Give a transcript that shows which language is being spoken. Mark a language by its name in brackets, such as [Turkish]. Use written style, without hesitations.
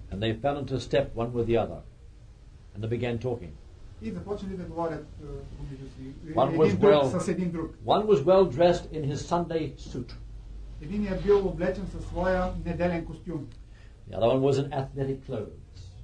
[English] And they fell into step one with the other. And they began talking. [Bulgarian] И започнали да говорят помежду си. [English] One was well, [Bulgarian] с един друг. [English] One was well dressed in his Sunday suit. [Bulgarian] Единият бил облечен със своя неделен костюм. [English] The other one was in athletic clothes.